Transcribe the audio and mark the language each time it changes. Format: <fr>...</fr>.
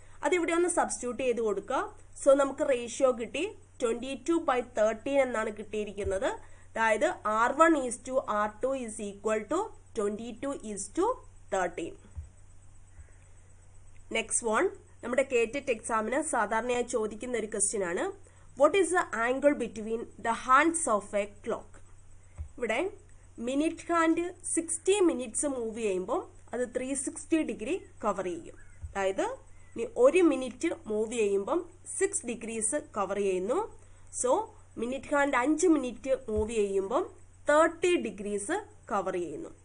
<ml>അതിവിടെ ഒന്ന് സബ്സ്റ്റിറ്റ്യൂട്ട് ചെയ്ത് കൊടുക്കുക. സോ നമുക്ക് റേഷ്യോ കിട്ടി 22/13 എന്നാണ് കിട്ടിയിരിക്കുന്നത്.</ml> <en>അതായത് R one is to R two is equal to 22:13.</en> <ml>Next one, നമ്മുടെ കേറ്റെറ്റ് എക്സാമിന് സാധാരണയായി ചോദിക്കുന്ന ഒരു ക്വസ്റ്റ്യൻ ആണ്.</ml> <en>What is the angle between the hands of a clock?</en> <ml>ഇവിടെ മിനിറ്റ് ഹാൻഡ് 60 മിനിറ്റ്സ് മൂവ് ചെയ്യുമ്പോൾ അത് 360 ഡിഗ്രി കവർ ചെയ്യും. അതായത് ഇനി ഒരു മിനിറ്റ് മൂവ് ചെയ്യുമ്പം 6 ഡിഗ്രീസ് കവർ ചെയ്യുന്നു. So minute hand 5 minute move ചെയ്യുമ്പം 30 ഡിഗ്രീസ് കവർ ചെയ്യുന്നു.</ml>